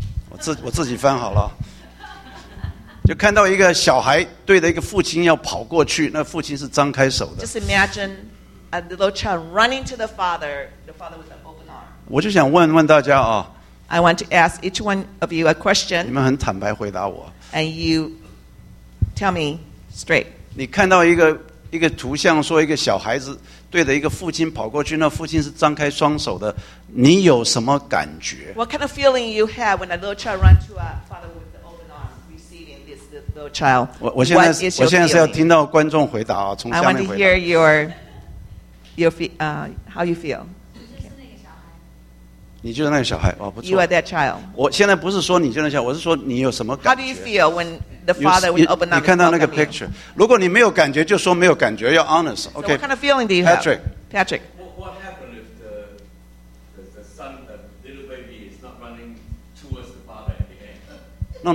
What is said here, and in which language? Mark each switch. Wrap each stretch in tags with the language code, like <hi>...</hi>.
<zh>我自己翻好了，就看到一个小孩对着一个父亲要跑过去，那父亲是张开手的。</zh> <en>Just imagine a little child running to the father with an open arm.</en> <zh>我就想问大家啊。</zh> <en>I want to ask each one of you a question.</en> <zh>你们很坦白回答我。</zh> <en>And you tell me straight.</en> <zh>你看到一个图像，说一个小孩子。对着一个父亲跑过去，那父亲是张开双手的。你有什么感觉</zh> <en>？What kind of feeling you have when a little child runs to a father with an open arm receiving this little child？</en> <zh>我现在是要听到观众回答啊，从下面回答。</zh> <en>I want to hear how you feel。</en> <zh>你就是那个小孩，哦，不错。</zh> <en>You are that child。</en> <zh>我现在不是说你就是小孩，我是说你有什么感觉</zh> <en>？How do you feel when the father would open up?</en> <zh>你看到那个 picture？ 如果你没有感觉，就说没有感觉，要 honest。OK。</zh> <en>What kind of feeling do you have, Patrick? Patrick. What happened if the son, the little baby, is not running towards the father at the end?</en>